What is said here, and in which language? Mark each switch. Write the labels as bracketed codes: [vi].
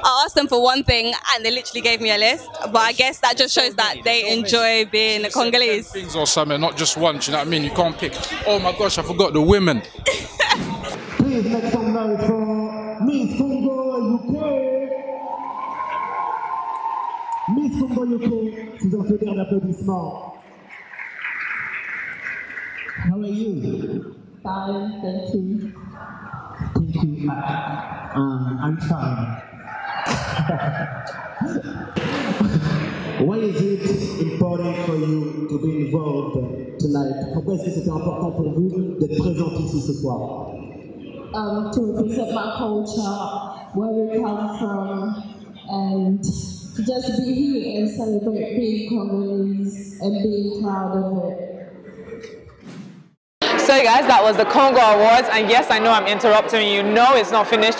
[en] I asked them for one thing and they literally gave me a list, but I guess that just shows that they enjoy being Congolese. Like 10 things or something, not just one, do you know what I mean? You can't pick. Oh my gosh, I forgot the women. Please make some noise for Miss Congo, you play. [fr] Miss Congo Yoko, si vous en faites un applaudissement. [en] How are you? Fine, thank you. Thank you. I'm fine. Why is it important for you to be involved tonight? [fr] Pourquoi est-ce que c'était important pour vous d'être présent ici ce soir? [en] To represent my culture, where we come from, and to just be here and celebrate being Congolese and being proud of it. So guys, that was the Congo Awards, and yes, I know I'm interrupting you. No, it's not finished.